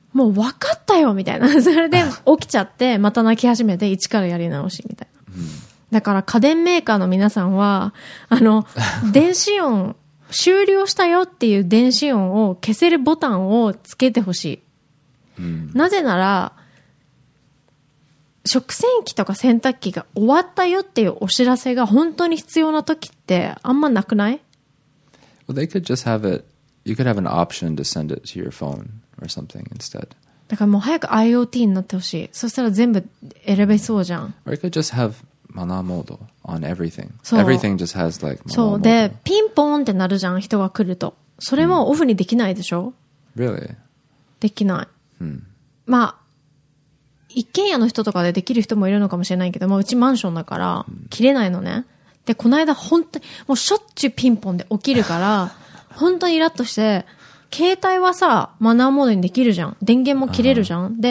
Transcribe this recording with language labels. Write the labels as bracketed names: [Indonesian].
[Japanese] もう分かったよみたいな。それで起きちゃってまた泣き始めて一からやり直しみたいな、うん、だから家電メーカーの皆さんは電子音終了したよっていう電子音を消せるボタンをつけてほしい、うん、なぜなら食洗機とか洗濯機が終わったよっていうお知らせが本当に必要な時ってあんまなくない？ [English] Well, they could just have it. You could have an option to send it to your phone or something instead. [Japanese] だからもう早く IoT になってほしい。そしたら全部選べそうじゃん。 [English] Or you could just have マナーモード on everything. Everything just has like [Japanese] マナーモード。そうでピンポーンってなるじゃん人が来ると。それもオフにできないでしょ？ [English] Really? [Japanese] できない。 Hmm. まあ一軒家の人とかでできる人もいるのかもしれないけど、まあ、うちマンションだから切れないのね。でこの間本当にもうしょっちゅうピンポンで起きるから本当にイラッとして、携帯はさマナーモードにできるじゃん、電源も切れるじゃん、uh-huh.